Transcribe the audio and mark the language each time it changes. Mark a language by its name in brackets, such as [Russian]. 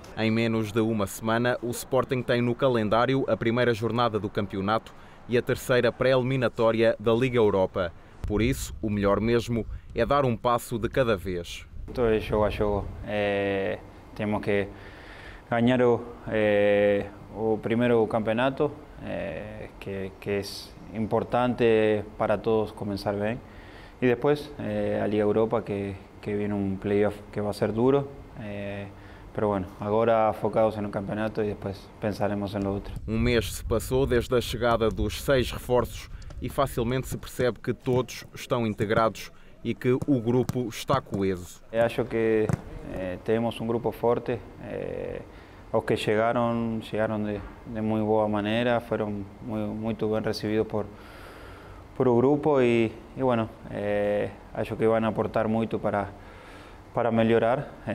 [Portuguese] Em menos de uma semana, o Sporting tem no calendário a primeira jornada do campeonato e a terceira pré-eliminatória da Liga Europa. Por isso, o melhor mesmo é dar um passo de cada vez. [Spanish] Esto es juego a juego. Tenemos que ganar o primero campeonato, que es importante para todos comenzar bien. Y después a Liga Europa, que viene un playoff que va a ser duro. Pero bueno, ahora enfocados en el campeonato y después pensaremos en lo otro. Un mes se pasó desde la llegada de los 6 reforzos y fácilmente se percebe que todos están integrados [Portuguese] e que o grupo está coeso. Acho que temos um grupo forte. Os que chegaram de muito boa maneira, foram muito bem recebidos por o grupo e bueno, acho que vão aportar muito para melhorar.